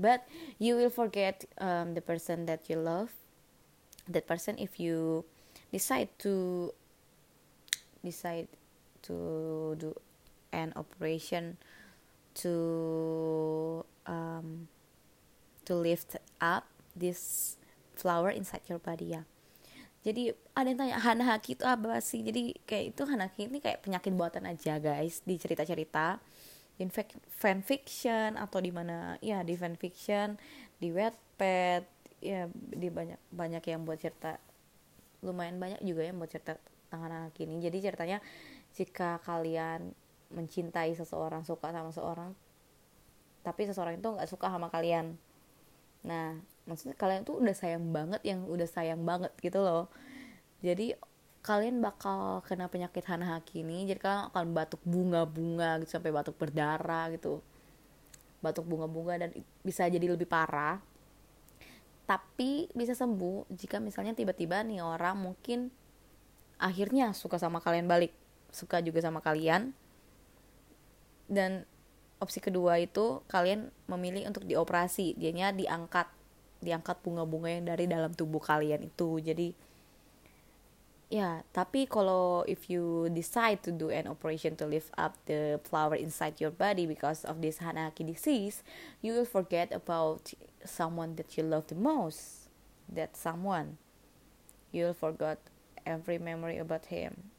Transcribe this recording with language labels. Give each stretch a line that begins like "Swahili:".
English: But you will forget the person that you love, that person, if you decide to do an operation to lift up this flower inside your body. Yeah,
Indonesian: Jadi ada yang tanya Hanahaki itu apa sih? Jadi kayak itu Hanahaki ini kayak penyakit buatan aja guys, di cerita-cerita in fan fiction atau di mana ya, di fan fiction, di Wattpad, ya di banyak banyak yang buat cerita, lumayan banyak juga yang buat cerita tentang Hanahaki ini. Jadi ceritanya jika kalian mencintai seseorang, suka sama seseorang, tapi seseorang itu nggak suka sama kalian. Nah, maksudnya kalian tuh udah sayang banget, yang udah sayang banget gitu loh. Jadi kalian bakal kena penyakit Hanahaki ini. Jadi kalian akan batuk bunga-bunga gitu, sampai batuk berdarah gitu. Batuk bunga-bunga dan bisa jadi lebih parah. Tapi bisa sembuh jika misalnya tiba-tiba nih orang mungkin akhirnya suka sama kalian balik, suka juga sama kalian. Dan opsi kedua itu kalian memilih untuk dioperasi, dianya diangkat, diangkat bunga-bunga yang dari dalam tubuh kalian itu. Jadi ya, tapi kalau
English: if you decide to do an operation to lift up the flower inside your body because of this Hanahaki disease, you will forget about someone that you love the most. That someone, you'll forget every memory about him.